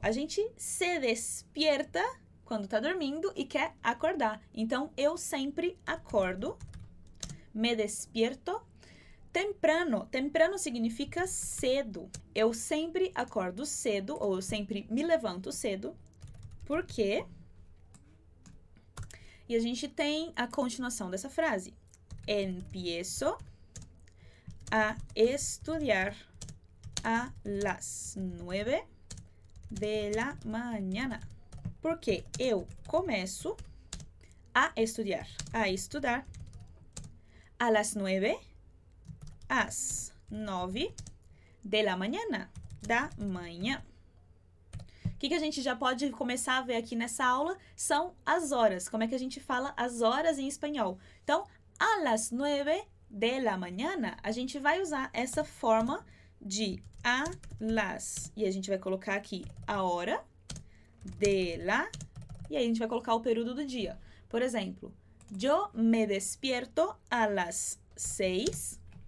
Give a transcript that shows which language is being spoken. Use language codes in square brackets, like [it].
[pt] A gente [es] se despierta [pt] quando está dormindo e quer acordar. Então, eu sempre acordo. [es] Me despierto [pt] Temprano significa cedo. Eu sempre acordo cedo, ou eu sempre me levanto cedo, porque. E a gente tem a continuação dessa frase. [es] Empiezo a estudiar a las 9 de la mañana. [pt] Porque eu começo a estudiar, [es] a las 9. Às 9 de la mañana, [pt] da manhã. O que a gente já pode começar a ver aqui nessa aula são as horas. Como é que a gente fala as horas em espanhol? Então, [es] a las 9 de la mañana, [pt] a gente vai usar essa forma de a las, e a gente vai colocar aqui a hora, de la, e aí a gente vai colocar o período do dia. Por exemplo, [es] yo me despierto a las 6.